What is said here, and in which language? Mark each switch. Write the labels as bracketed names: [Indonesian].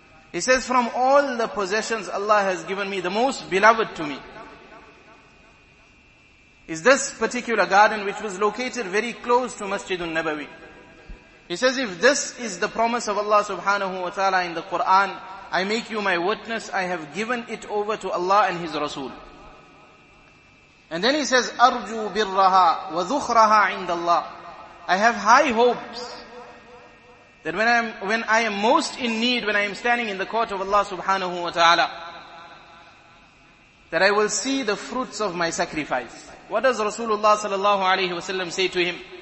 [English] He says, from all the possessions Allah has given me, the most beloved to me is this particular garden, which was located very close to Masjid al-Nabawi. He says, if this is the promise of Allah subhanahu wa ta'ala in the Quran, I make you my witness, I have given it over to Allah and His Rasul. [Arabic] And then he says, أرجو برها وذخرها عند الله. [English] I have high hopes that when I am most in need, when I am standing in the court of Allah subhanahu wa ta'ala, that I will see the fruits of my sacrifice. What does Rasulullah sallallahu alayhi wa sallam say to him?